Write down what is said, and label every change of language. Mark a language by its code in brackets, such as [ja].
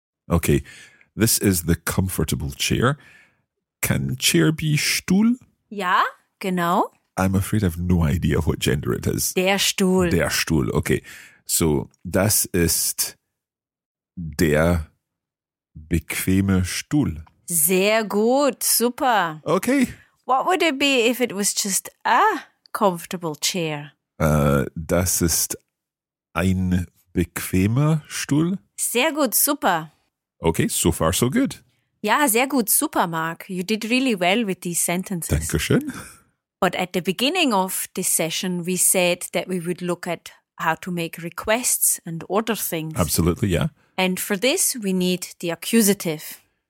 [en] Okay. This is the comfortable chair. Can chair be Stuhl? [de] Ja, genau. [en] I'm afraid I have no idea what gender it is. [de] Der Stuhl. Der Stuhl. Okay. So, das ist der bequeme Stuhl. Sehr gut. Super. [en] Okay. What would it be if it was just a comfortable chair? [de] Das ist ein bequemer Stuhl. Sehr gut. Super. [en] Okay, so far so good. [de] Ja, sehr gut, super, Mark. [en] You did really well with these sentences. [de] Dankeschön. [en] But at the beginning of this session, we said that we would look at how to make requests and order things. Absolutely, yeah. And for this, we need the accusative.